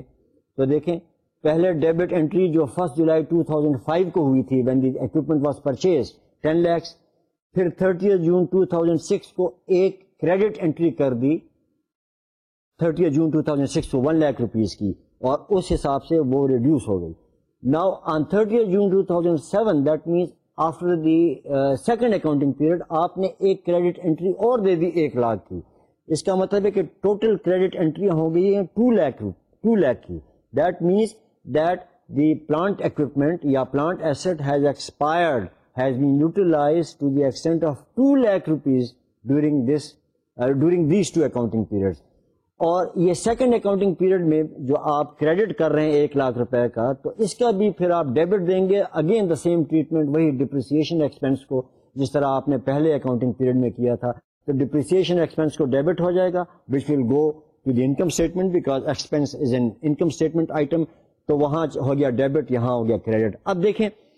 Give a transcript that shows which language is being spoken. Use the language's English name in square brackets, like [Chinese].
[Urdu] تو دیکھیں پہلے ڈیبٹ انٹری جو 1st جولائی 2005 کو ہوئی تھی [English] when the equipment was purchased [Urdu] 10 lakh, پھر 30th جون 2006 کو ایک کریڈٹ انٹری کر دی 30th جون 2006 کو 1 لاکھ روپیز کی, اور اس حساب سے وہ ریڈیوس ہو گئی. [English] Now on 30th June 2007, that means after the second accounting period, [Urdu] آپ نے ایک credit entry اور دے دی 1 لاکھ کی, اس کا مطلب ہے کہ ٹوٹل کریڈٹ انٹری ہو گئی ہیں 2 lakh کی. [English] That means that the plant equipment یا plant asset has expired, has been utilized to the extent of 2 lakh rupees during this during these two accounting periods. [Urdu] اور یہ سیکنڈ اکاؤنٹنگ پیریڈ میں جو آپ credit کر رہے ہیں 1 لاکھ روپے کا, تو اس کا بھی پھر آپ ڈیبٹ دیں گے, [English] again the same treatment, [Urdu] وہی ڈپریسیشن ایکسپینس کو جس طرح آپ نے پہلے اکاؤنٹنگ پیریڈ میں کیا تھا تو ڈپریسیشن ایکسپینس کو ڈیبٹ ہو جائے گا [English] which will go to the income statement because expense is an income statement item [Urdu] تو وہاں ہو گیا ڈیبٹ یہاں ہو گیا کریڈٹ اب دیکھیں